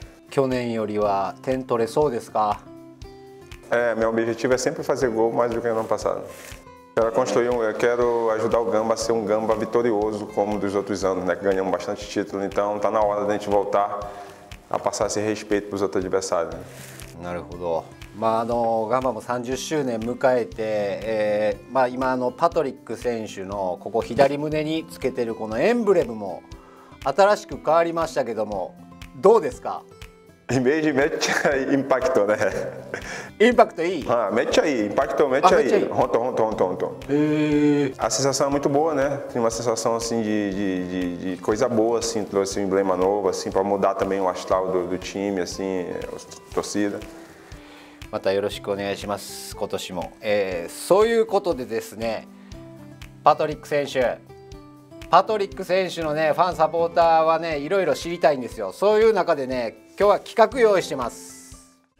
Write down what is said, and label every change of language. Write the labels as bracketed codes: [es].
[ja] 去年よりは点取れそうですか？ [pt] Meu objetivo é sempre fazer gol mais do que no ano passado. Eu quero ajudar o Gamba a ser um Gamba vitorioso como dos outros anos, né? Que ganhamos bastante título. Então está na hora de a gente voltar a passar esse respeito para os outros adversários. [ja] なるほど。まあ、Gamba も30周年迎えて、まあ、今パトリック選手のここ左胸につけてるこのエンブレムも新しく変わりましたけども、どうですか？イメージめっちゃインパクトね。インパクトいい。はい、めっちゃいい。インパクトめっちゃいい。本当本当本当本当。へえ。 [pt] A sensação é muito boa, né? Tem uma sensação assim de coisa boa, assim, trouxe um emblema novo, assim, para mudar também o astral do time, assim, a torcida. [ja] またよろしくお願いします。今年も。そういうことでですね、パトリック選手のね、ファンサポーターはね、いろいろ知りたいんですよ。そういう中でね、今日は企画用意してます。